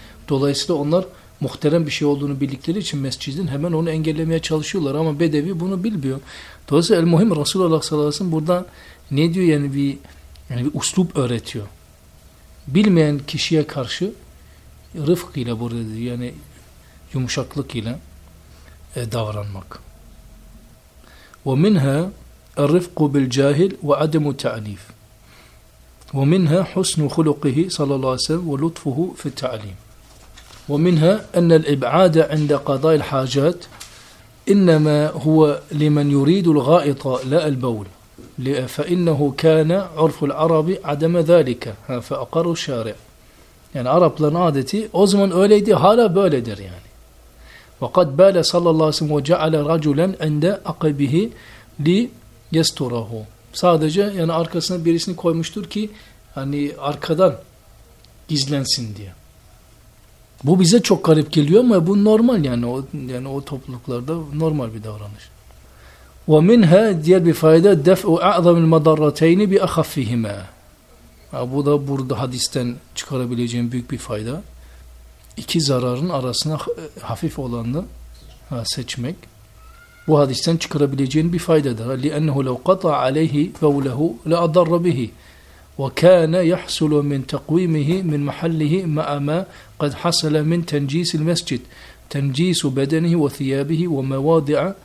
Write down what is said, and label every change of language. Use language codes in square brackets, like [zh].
[tr] Dolayısıyla onlar muhterem bir şey olduğunu bildikleri için mescidin hemen onu engellemeye çalışıyorlar ama Bedevi bunu bilmiyor. Dolayısıyla el muhim Resulullah sallallahu aleyhi ve sellem burada ne diyor yani bir yani bir uslup öğretiyor. Bilmeyen kişiye karşı rıfk ile burada diyor. Yani yumuşaklık ile davranmak. [ar] وَمِنْهَا اَرْرِفْقُ بِالْجَاهِلْ وَعَدَمُ تَعْلِيفِ وَمِنْهَا حُسْنُ خُلُقِهِ صَلَى اللّٰهِ سَلَى وَلُطْفُهُ فِي التَّعْلِيمِ وَمِنْهَا اَنَّ الْاِبْعَادَ عِنْدَ قَضَاءِ الْحَاجَاتِ اِنَّمَا هُوَ لِمَنْ يُرِيدُ الْغَائِطَ لَا الْبَوْلِ فإنه كان عرف العرب عدم ذلك فأقر الشارع يعني عربların [tr] adeti o zaman öyleydi hala böyledir yani [ar] وقد بال صلى الله عليه وسلم وجعل رجلا عند عقبه ليستره [tr] sadece yani arkasına birisini koymuştur ki hani arkadan gizlensin diye bu bize çok garip geliyor ama bu normal yani o topluluklarda normal bir davranış. وَمِنْهَا diğer bir fayda [ar] دَفْءُ اَعْظَمِ الْمَضَرَّتَيْنِ بِأَخَفِّهِمَا [tr] bu da burada hadisten çıkarabileceğim büyük bir fayda. İki zararın arasına hafif olanı seçmek. Bu hadisten çıkarabileceğin bir faydadır. [ar] لِأَنَّهُ لَوْ قَطَعَ عَلَيْهِ فَوْلَهُ لَأَضَرَّ بِهِ وَكَانَ يَحْسُلُ مِنْ تَقْوِيمِهِ مِنْ مَحَلِّهِ مَعَ مَا قَدْ حَسَلَ مِنْ تَنْجِيسِ الْمَسْجِدِ تَنْجِيسُ بَدَنِهِ وَثِيَابِهِ وَمَوَاضِعَ